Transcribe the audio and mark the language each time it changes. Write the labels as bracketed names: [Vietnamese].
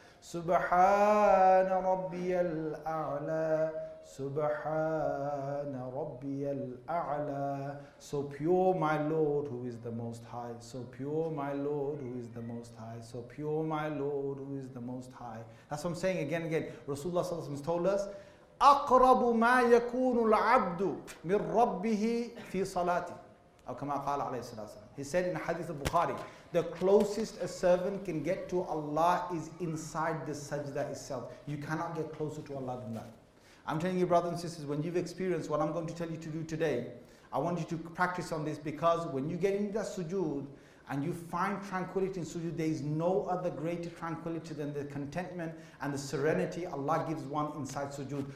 [Arabic] Subhana Rabbi al-A'la. Subhana Rabbi al-A'la. [English] So pure, my Lord, who is the Most High. So pure, my Lord, who is the Most High. So pure, my Lord, who is the Most High. That's what I'm saying again and again. [Arabic] Rasulullah sallallahu alaihi wasallam [English] told us, [Arabic] أَقْرَبُ مَا يَكُونُ الْعَبْدُ مِنْ رَبِّهِ فِي صَلَاتِ أَوْ كَمَا قَالَ عَلَيْهِ السَّلَاسَ. [English] He said in Hadith of Bukhari, the closest a servant can get to Allah is inside the sajda itself. You cannot get closer to Allah than that. I'm telling you, brothers and sisters, when you've experienced what I'm going to tell you to do today, I want you to practice on this, because when you get into that sujood and you find tranquility in sujood, there is no other greater tranquility than the contentment and the serenity Allah gives one inside sujood.